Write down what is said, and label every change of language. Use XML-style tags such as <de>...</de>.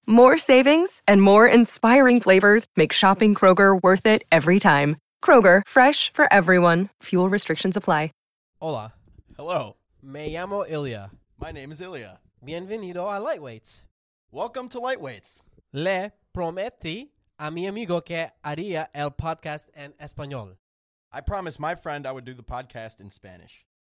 <en>More savings and more inspiring flavors make shopping Kroger worth it every time. Kroger, fresh for everyone. Fuel restrictions apply.</en> <es>Hola.</es> <en>Hello.</en> <es>Me llamo Ilya.</es> <en>My name is Ilya.</en> <es>Bienvenido a Lightweights.</es> <en>Welcome to Lightweights.</en> <es>Le prometí a mi amigo que haría el podcast en español.</es> <en>I promised my friend I would do the podcast in Spanish.</en>